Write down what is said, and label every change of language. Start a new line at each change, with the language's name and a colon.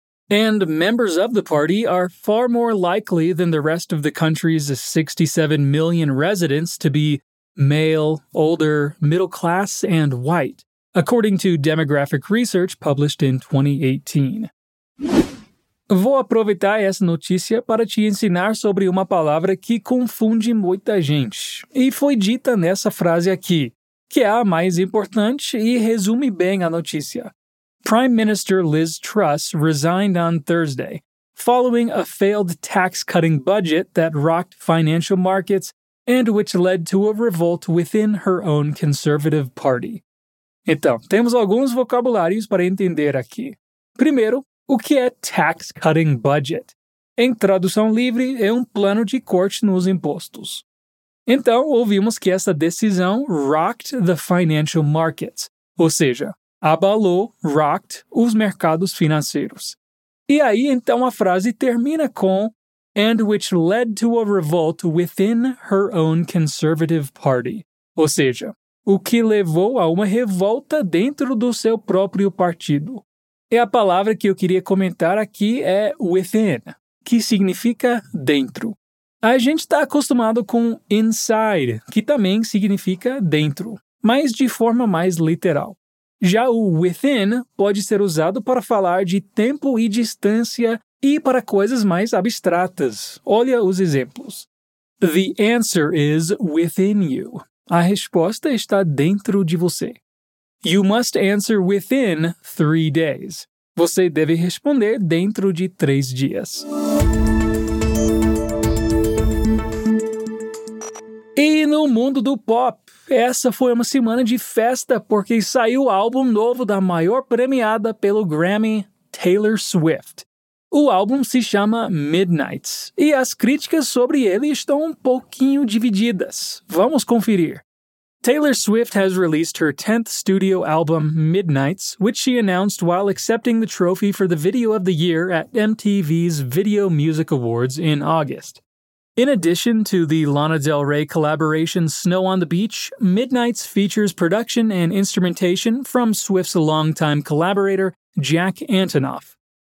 English: And members of the party are far more likely than the rest of the country's 67 million residents to be male, older, middle class, and white, according to demographic research published in 2018.
Portuguese: Vou aproveitar essa notícia para te ensinar sobre uma palavra que confunde muita gente, e foi dita nessa frase aqui, que é a mais importante e resume bem a notícia.
English: Prime Minister Liz Truss resigned on Thursday, following a failed tax-cutting budget that rocked financial markets and which led to a revolt within her own Conservative Party.
Portuguese: Então, temos alguns vocabulários para entender aqui. Primeiro, o que é tax-cutting budget? Em tradução livre, é um plano de corte nos impostos. Então, ouvimos que essa decisão
English: rocked the financial markets,
Portuguese: ou seja, abalou, rocked, os mercados financeiros. E aí, então, a frase termina com
English: and which led to a revolt within her own conservative party.
Portuguese: Ou seja, o que levou a uma revolta dentro do seu próprio partido. E a palavra que eu queria comentar aqui é within, que significa dentro. A gente está acostumado com inside, que também significa dentro, mas de forma mais literal. Já o within pode ser usado para falar de tempo e distância e para coisas mais abstratas. Olha os exemplos.
English: The answer is within you.
Portuguese: A resposta está dentro de você.
English: You must answer within 3 days.
Portuguese: Você deve responder dentro de 3 dias. E no mundo do pop, essa foi uma semana de festa porque saiu o álbum novo da maior premiada pelo Grammy, Taylor Swift. O álbum se chama Midnights, e as críticas sobre ele estão um pouquinho divididas. Vamos conferir.
English: Taylor Swift has released her 10th studio album, Midnights, which she announced while accepting the trophy for the Video of the Year at MTV's Video Music Awards in August. In addition to the Lana Del Rey collaboration Snow on the Beach, Midnights features production and instrumentation from Swift's longtime collaborator, Jack Antonoff.